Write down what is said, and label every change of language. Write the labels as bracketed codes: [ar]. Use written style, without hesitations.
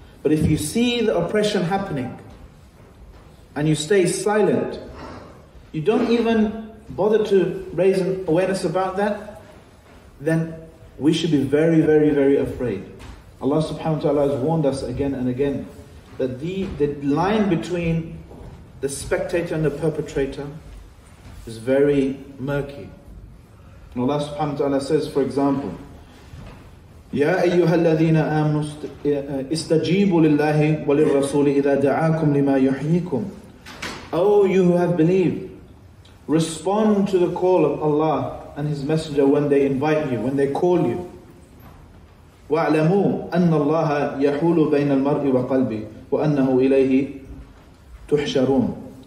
[en] But if you see the oppression happening and you stay silent, you don't even bother to raise an awareness about that, then we should be very, very, very afraid. Allah subhanahu wa ta'ala has warned us again and again that the line between the spectator and the perpetrator is very murky. And Allah subhanahu wa ta'ala says, for example, [ar] يَا أَيُّهَا الَّذِينَ آمَنُوا اسْتَجِيبُوا لِلَّهِ وَلِلرَّسُولِ إِذَا دَعَاكُمْ لِمَا يُحْيِيكُمْ. [en] Oh, you who have believed, respond to the call of Allah and His Messenger when they invite you, when they call you. [ar] وَاعْلَمُوا أَنَّ اللَّهَ يَحُولُ بَيْنَ الْمَرْءِ وَقَلْبِهِ وَأَنَّهُ إِلَيْهِ تُحْشَرُونَ.